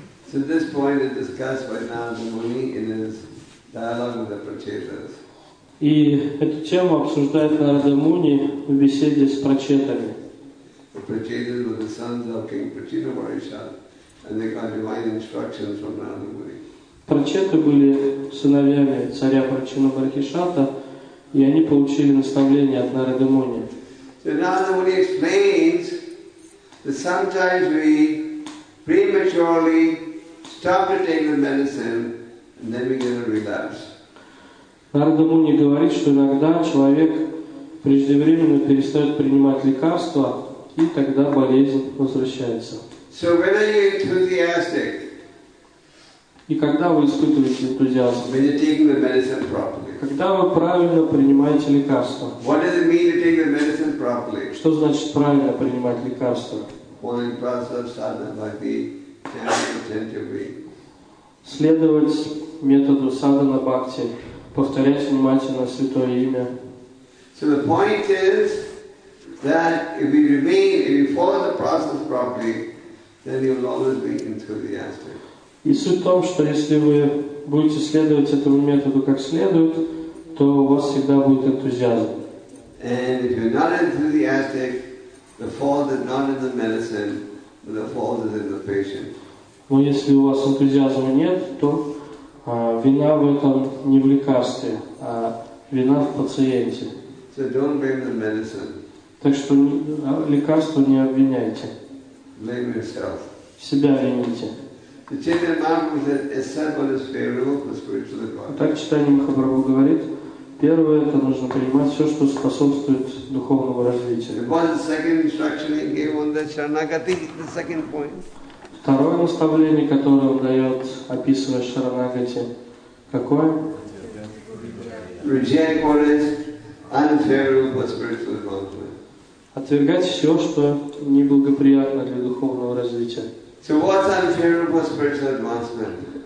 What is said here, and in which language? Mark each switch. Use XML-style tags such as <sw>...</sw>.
<en>So this point is discussed by Narada Muni in his dialogue with the Prachetas.</en> <ru>И эту тему обсуждает Нарада Муни в беседе с Прачетами.</ru> <en>The Prachetas were the sons of King Prachita Varisha. And they got divine instructions from Narada Muni.</en> <ru>Прачеты были сыновьями царя Прачина Бархишата, и они получили наставление от Нарада Муни.</ru> <en>So Narada Muni explains that sometimes we prematurely stop to take the medicine, and then we get a relapse.</en> <ru>Нарада Муни говорит, что иногда человек преждевременно перестает принимать лекарства, и тогда болезнь возвращается.</ru> <en>So when are you enthusiastic?</en> <ru>И когда вы испытываете энтузиазм?</ru> <en>When you're taking the medicine properly.</en> <ru>Когда вы правильно принимаете лекарства?</ru> <en>What does it mean to take the medicine properly?</en> <ru>Что значит правильно принимать лекарства?</ru> <en>Well, in process, sadhana, bhakti, chanting attentively.</en> <ru>Следовать методу садхана бхакти, повторять внимательно святое имя.</ru> <en>So the point is that if we remain, if we follow the process properly, then you'll always be enthusiastic.</en> <ru>И суть в том, что если вы будете следовать этому методу как следует, то у вас всегда будет энтузиазм.</ru> <en>And if you're not enthusiastic, the fault is not in the medicine, but the fault is in the patient.</en> <ru>Но если у вас энтузиазма нет, то вина в этом не в лекарстве, а вина в пациенте.</ru> <en>So don't blame the medicine.</en> <ru>Так что лекарство не обвиняйте.</ru> <en>Blame yourself.</en> <ru>Себя вините.</ru> <en>The Chaitanya Mahaprabhu said, accept what is favorable for spiritual advancement.</en> <ru>Так Читание Махапрабху говорит, первое, это нужно принимать все, что способствует духовному развитию.</ru> <en>What was the second instruction he gave on the Sharanagati, the second point?</en> <ru>Второе наставление, которое он дает, описывая Шаранагати, какое?</ru> <en>Reject what is unfavorable for spiritual advancement.</en> <ru>Отвергать все, что неблагоприятно для духовного развития.</ru> <en>So what's unfavorable for spiritual advancement?</en>